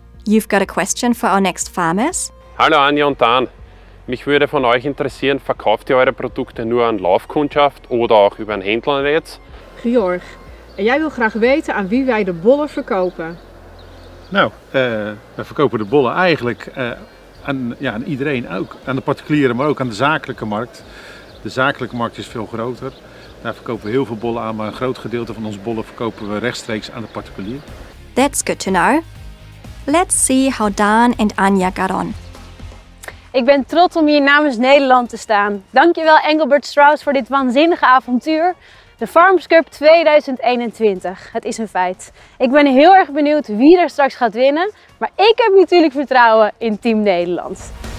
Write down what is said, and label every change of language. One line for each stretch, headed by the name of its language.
English: You've got a question for our next farmers?
German: Hallo Anja und Dan. Mich würde von euch interessieren, verkauft ihr eure Produkte nur an Laufkundschaft oder auch über ein Händlernetz?
Dutch: Georg, jij wil graag weten aan wie wij de bollen verkopen. Nou, we verkopen de bollen eigenlijk aan iedereen. Ook aan de particuliere, maar ook aan de zakelijke markt. De zakelijke markt is veel groter. Daar verkopen we heel veel bollen aan, maar een groot gedeelte van onze bollen verkopen we rechtstreeks aan de particulier.
English: That's good to know. Let's see how Daan and Anja got on.
Dutch: Ik ben trots om hier namens Nederland te staan. Dankjewel Engelbert Strauss voor dit waanzinnige avontuur. De Farmers Cup 2021, het is een feit. Ik ben heel erg benieuwd wie er straks gaat winnen, maar ik heb natuurlijk vertrouwen in Team Nederland.